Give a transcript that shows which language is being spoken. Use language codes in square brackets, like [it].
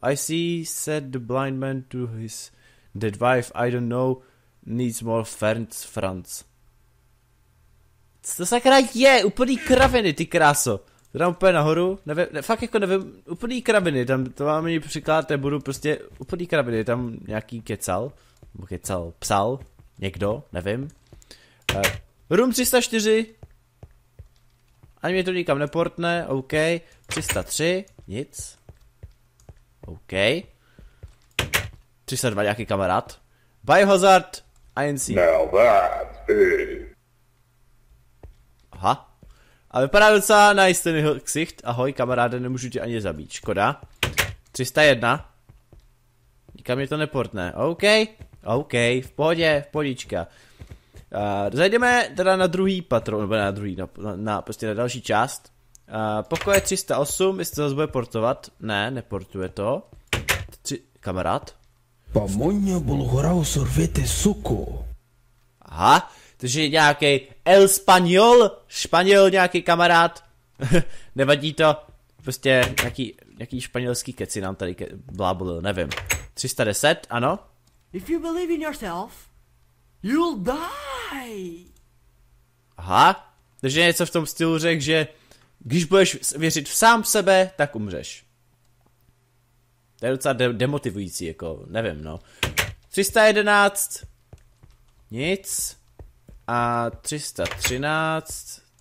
[en] I see, said the blind man to his dead wife, I don't know, needs more friends, Franz. [cs] Co to sakra je, úplný kraviny, ty kráso. To tam úplně nahoru, nevím, úplný kraviny, tam to mám ani příklad, to budu prostě, úplný kraviny, tam nějaký kecal, psal, někdo, nevím. [en] Room 304. [cs] Ani mě to nikam neportne, OK. 303, nic. OK. 302, nějaký kamarád. [en] Biohazard, INC. Now that's it. [cs] A vypadá docela nice ten jeho ksicht. Ahoj kamaráde, nemůžu tě ani zabít, škoda. 301. Nikam mě to neportne. OK, OK, v pohodě, v pohodička. Zajdeme teda na druhý patro, nebo na druhý, na prostě na další část. Pokoje 308, jestli to zase bude portovat. Ne, neportuje to. Kamarád. Pamoňa bol horao sorvete suku. Aha, takže nějaký El Spaniol, Španěl nějaký kamarád. Nevadí to, prostě nějaký španělský keci nám tady blábolil, nevím. 310, ano. [en] If you believe in yourself, you'll die. [cs] Aha, takže něco v tom stylu řekl, že když budeš věřit v sám sebe, tak umřeš. To je docela demotivující, jako, nevím, no. 311. Nic. A 313.